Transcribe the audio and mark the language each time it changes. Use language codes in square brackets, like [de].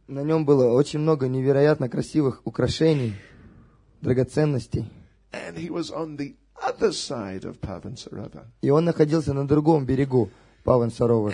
[ru] На нем было очень много невероятно красивых украшений, драгоценностей. [en] And he was on the other side of Pavansarovar. [ru] И он находился на другом берегу Павансаровара.